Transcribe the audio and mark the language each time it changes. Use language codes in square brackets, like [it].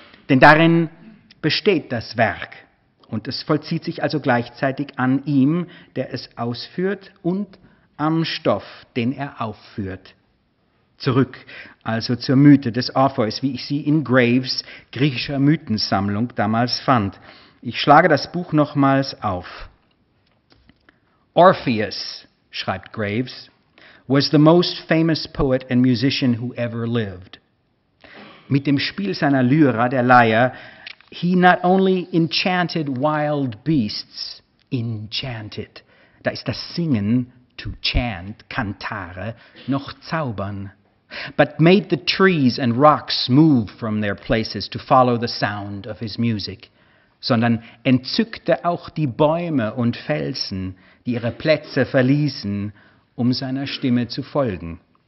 [de] Denn darin besteht das Werk und es vollzieht sich also gleichzeitig an ihm, der es ausführt und am Stoff, den er aufführt. Zurück also zur Mythe des Orpheus, wie ich sie in Graves griechischer Mythensammlung damals fand. Ich schlage das Buch nochmals auf. [en] Orpheus, [de] schreibt Graves, [en] was the most famous poet and musician who ever lived. [de] Mit dem Spiel seiner Lyra, der Leier, [en] he not only enchanted wild beasts, enchanted, [de] da ist das Singen, [en] to chant, [de] Kantare, noch zaubern, [en] but made the trees and rocks move from their places to follow the sound of his music, [de] sondern entzückte auch die Bäume und Felsen, die ihre Plätze verließen, um seiner Stimme zu folgen.